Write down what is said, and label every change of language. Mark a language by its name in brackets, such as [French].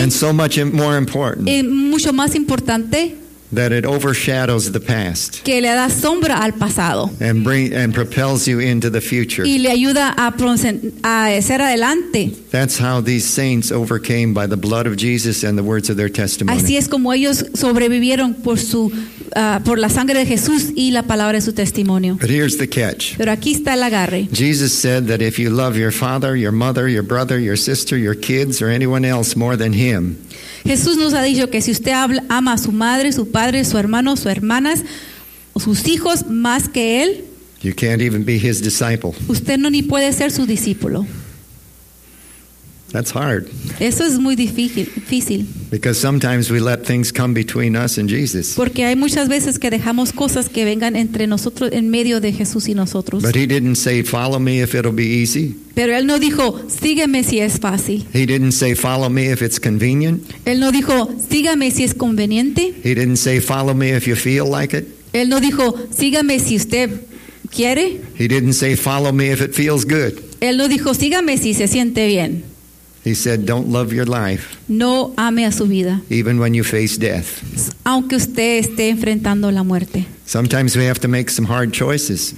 [English] And so much more important. [Spanish] Y mucho más importante. [English] That it overshadows the past. [Spanish] Que le da sombra al pasado. [English] And propels you into the future. [Spanish] Y le ayuda a ser adelante. [English] That's how these saints overcame by the blood of Jesus and the words of their testimony. [Spanish] Así es como ellos sobrevivieron por la sangre de Jesús y la palabra de su testimonio. [English] But here's the catch. [Spanish] Pero aquí está el agarre. [English] Jesus said that if you love your father, your mother, your brother, your sister, your kids, or anyone else more than him. [Spanish] Jesús nos ha dicho que si usted ama a su madre, su padre, su hermano, sus hermanas, sus hijos más que él, [English] you can't even be his disciple. [Spanish] Usted no ni puede ser su discípulo. [English] That's hard. [Spanish] Eso es muy difícil. [English] Because sometimes we let things come between us and Jesus. [Spanish] Porque hay muchas veces que dejamos cosas que vengan entre nosotros en medio de Jesús y nosotros. [English] But he didn't say follow me if it'll be easy. [Spanish] Pero él no dijo sígueme si es fácil. [English] He didn't say follow me if it's convenient. [Spanish] Él no dijo sígueme si es conveniente. [English] He didn't say follow me if you feel like it. [Spanish] Él no dijo sígueme si usted quiere. [English] He didn't say follow me if it feels good. [Spanish] Él no dijo sígueme si se siente bien. [English] He said, "Don't love your life." [Spanish] No ame a su vida. [English] Even when you face death. [Spanish] Aunque usted esté enfrentando la muerte. [English] Sometimes we have to make some hard choices.